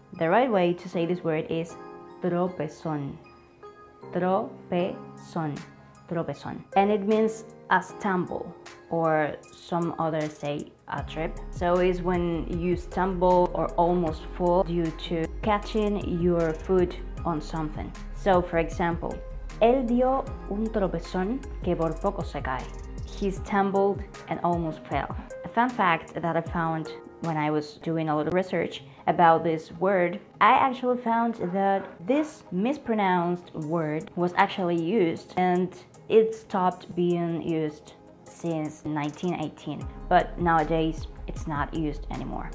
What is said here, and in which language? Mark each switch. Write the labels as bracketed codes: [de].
[en] The right way to say this word is tropezón. Tropezón, tropezón. And it means a stumble, or some others say a trip. So it's when you stumble or almost fall due to catching your foot on something. So for example, [es] él dio un tropezón que por poco se cae. [en] He stumbled and almost fell. A fun fact that I found when I was doing a little research about this word, I actually found that this mispronounced word was actually used and it stopped being used since 1918, but nowadays it's not used anymore.